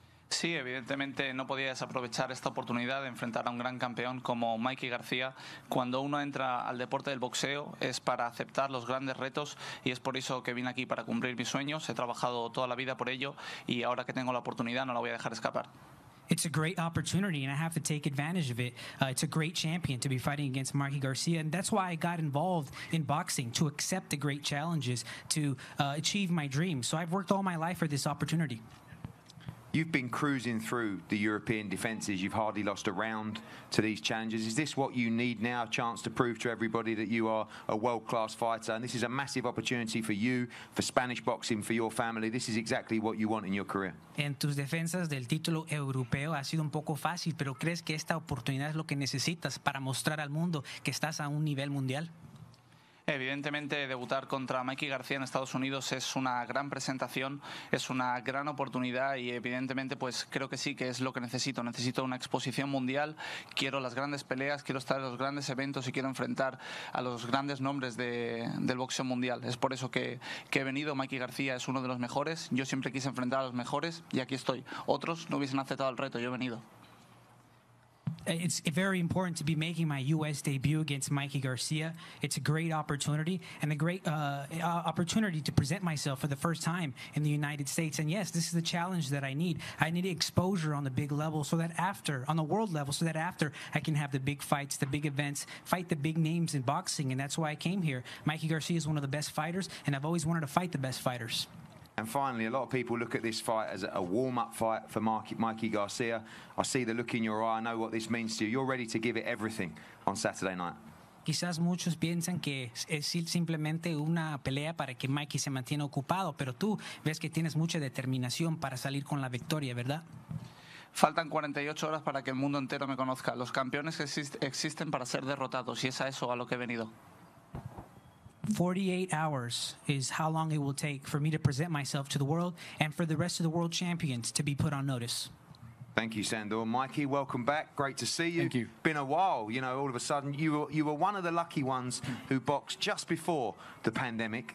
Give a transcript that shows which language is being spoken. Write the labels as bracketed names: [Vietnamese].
[Spanish] Sí, evidentemente no podía desaprovechar esta oportunidad de enfrentar a un gran campeón como Mikey García. Cuando uno entra al deporte del boxeo es para aceptar los grandes retos y es por eso que vine aquí, para cumplir mis sueños. He trabajado toda la vida por ello y ahora que tengo la oportunidad no la voy a dejar escapar. [English] It's a great opportunity, and I have to take advantage of it. It's a great champion to be fighting against Mikey Garcia, and that's why I got involved in boxing, to accept the great challenges, to achieve my dreams. So I've worked all my life for this opportunity. You've been cruising through the European defenses. You've hardly lost a round to these challenges. Is this what you need now, a chance to prove to everybody that you are a world-class fighter? And this is a massive opportunity for you, for Spanish boxing, for your family. This is exactly what you want in your career. [Spanish] En tus defensas del título europeo ha sido un poco fácil, pero ¿crees que esta oportunidad es lo que necesitas para mostrar al mundo que estás a un nivel mundial? Evidentemente, debutar contra Mikey Garcia en Estados Unidos es una gran presentación, es una gran oportunidad y evidentemente pues creo que sí, que es lo que necesito. Necesito una exposición mundial, quiero las grandes peleas, quiero estar en los grandes eventos y quiero enfrentar a los grandes nombres del boxeo mundial. Es por eso que he venido. Mikey García es uno de los mejores. Yo siempre quise enfrentar a los mejores y aquí estoy. Otros no hubiesen aceptado el reto, yo he venido. [English] It's very important to be making my U.S. debut against Mikey Garcia. It's a great opportunity and a great opportunity to present myself for the first time in the United States. And yes, this is the challenge that I need. I need exposure on the big level so that after, on the world level, so that after I can have the big fights, the big events, fight the big names in boxing. And that's why I came here. Mikey Garcia is one of the best fighters, and I've always wanted to fight the best fighters. And finally, a lot of people look at this fight as a warm-up fight for Mikey Garcia. I see the look in your eye. I know what this means to you. You're ready to give it everything on Saturday night. [Spanish] Quizás muchos piensan que es simplemente una pelea para que Mikey se mantiene ocupado, pero tú ves que tienes mucha determinación para salir con la victoria, ¿verdad? Faltan 48 horas para que el mundo entero me conozca. Los campeones existen para ser derrotados, y es a eso a lo que he venido. [English] 48 hours is how long it will take for me to present myself to the world and for the rest of the world champions to be put on notice. Thank you, Sandor. Mikey, welcome back. Great to see you. Thank you. Been a while, you know, all of a sudden. You were one of the lucky ones who boxed just before the pandemic.